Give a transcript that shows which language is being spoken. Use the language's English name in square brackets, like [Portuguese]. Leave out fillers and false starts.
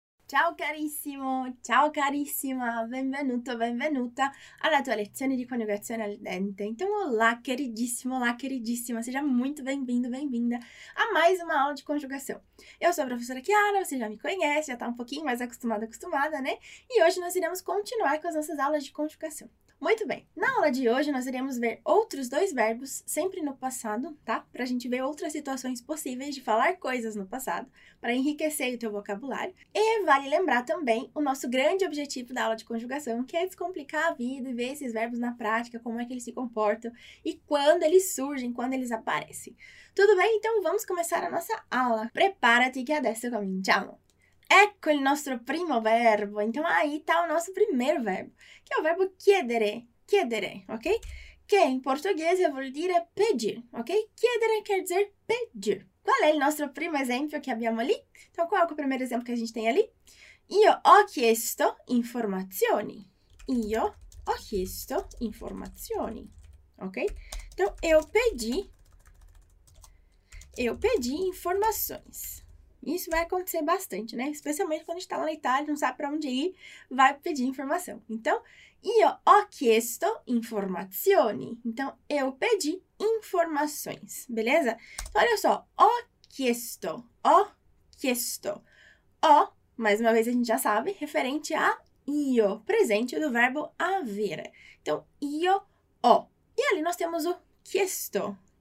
[Italian] Ciao carissima, benvenuto, benvenuta alla tua lezione di coniugazione al dente. [Portuguese] Então, olá, queridíssimo, olá, queridíssima, seja muito bem-vindo, bem-vinda a mais uma aula de conjugação. Eu sou a professora Chiara, você já me conhece, já tá um pouquinho mais acostumada, acostumada, né? E hoje nós iremos continuar com as nossas aulas de conjugação. Muito bem, na aula de hoje nós iremos ver outros dois verbos, sempre no passado, tá? Pra gente ver outras situações possíveis de falar coisas no passado, para enriquecer o teu vocabulário. E vale lembrar também o nosso grande objetivo da aula de conjugação, que é descomplicar a vida e ver esses verbos na prática, como é que eles se comportam e quando eles surgem, quando eles aparecem. Tudo bem? Então vamos começar a nossa aula. [Italian] Preparati que adesso cominciamo! Ecco il nostro primo verbo, [Portuguese] então aí tá o nosso primeiro verbo, [Italian] che è il verbo chiedere, chiedere, ok? Che in portoghese vuol dire pedir, ok? [Portuguese] Chiedere quer dizer pedir. [Italian] Qual è il nostro primo esempio che abbiamo lì? [Portuguese] Então qual è il primo esempio che a gente tem ali? [Italian] Io ho chiesto informazioni. Io ho chiesto informazioni, ok? [Portuguese] Então eu pedi informações. Isso vai acontecer bastante, né? Especialmente quando a gente está lá na Itália, não sabe para onde ir, vai pedir informação. [Italian] Então, io ho chiesto informazioni. [Portuguese] Então, eu pedi informações, beleza? Então, olha só, [Italian] ho chiesto, [Portuguese] ho, mais uma vez a gente já sabe, referente a io, presente do verbo avere. Então, [Italian] io ho. [Portuguese] E ali nós temos o chiesto.